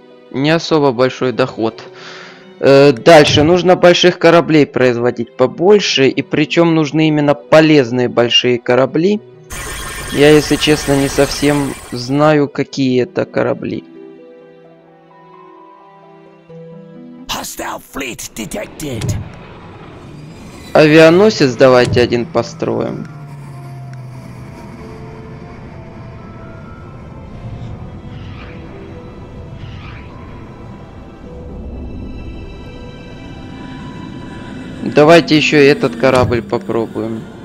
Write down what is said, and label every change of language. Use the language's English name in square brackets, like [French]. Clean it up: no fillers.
[Russian] Не особо большой доход. Дальше. Нужно больших кораблей производить побольше. И причем нужны именно полезные большие корабли. Я, если честно, не совсем знаю, какие это корабли. [English] Hostile fleet detected. [Russian] Авианосец давайте один построим. Давайте еще и этот корабль попробуем.